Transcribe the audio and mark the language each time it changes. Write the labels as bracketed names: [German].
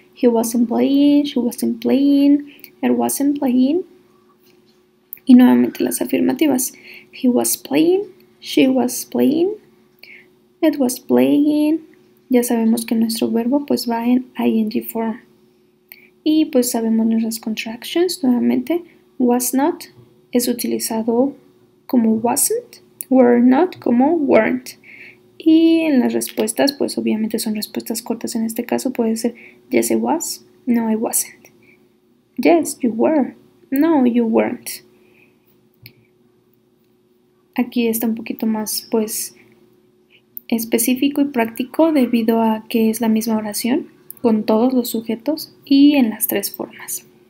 [English] He wasn't playing. She wasn't playing. It wasn't playing. [Spanish] Y nuevamente las afirmativas. [English] He was playing. She was playing. It was playing. [Spanish] Ya sabemos que nuestro verbo pues va en ing form. Y pues sabemos nuestras contractions. Nuevamente, was not es utilizado como wasn't, were not como weren't. Y en las respuestas, pues obviamente son respuestas cortas en este caso, puede ser [English] yes I was, no I wasn't. Yes, you were, no you weren't. [Spanish] Aquí está un poquito más pues específico y práctico debido a que es la misma oración con todos los sujetos y en las tres formas.